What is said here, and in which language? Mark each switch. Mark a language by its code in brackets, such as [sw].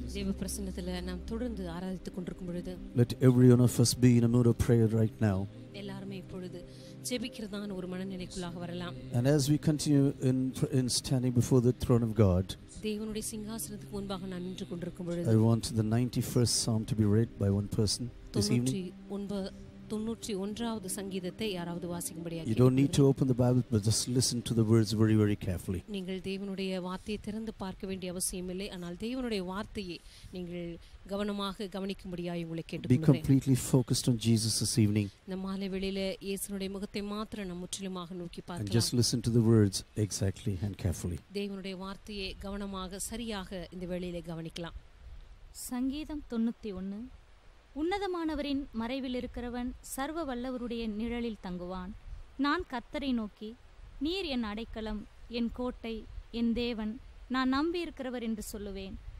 [ta] தேவபிரசன்னத்திலே நாம் தொடர்ந்து ஆராதித்துக் கொண்டிருக்கும் பொழுது, [en] let every one of us be in a mood of prayer right now. [ta] எல்லாருமே இப்பொழுது ஜெபிக்கிறதான் ஒரு மனநிலைக்குள்ளாக வரலாம். [en] And as we continue in standing before the throne of God, [ta] தேவனுடைய சிங்காசனத்துக்கு முன்பாக நாம் நின்று கொண்டிருக்கும் பொழுது, [en] I want the 91st psalm to be read by one person this evening. [ta] 91வது சங்கீதத்தை யாராவது வாசிக்கும்படியாக. [en] You don't need to open the Bible, but just listen to the words very, very carefully. [ta] நீங்கள் தேவனுடைய வார்த்தையை திறந்து பார்க்க வேண்டிய அவசியம் இல்லை, ஆனால் தேவனுடைய வார்த்தையை நீங்கள் கவனமாக கவனிக்கும்படியாக உங்களை கேட்டுக்கொள்கிறேன். [en] Be completely focused on Jesus this evening. [ta] இந்த மாலை வேளையில் இயேசுவின் முகத்தை மட்டும் நாம் முற்றிலுமாக நோக்கி பார்க்கலாம். [en] And just listen to the words exactly and carefully. [ta] தேவனுடைய வார்த்தையை கவனமாக சரியாக இந்த வேளையில் கவனிக்கலாம். சங்கீதம் 91. உன்னதமானவரின் மறைவில் இருக்கிறவன் சர்வ வல்லவருடைய நிழலில் தங்குவான். நான் கர்த்தரை நோக்கி, நீர் என் அடைக்கலம், என் கோட்டை, என் தேவன், நான் நம்பியிருக்கிறவர் என்று சொல்லுவேன்.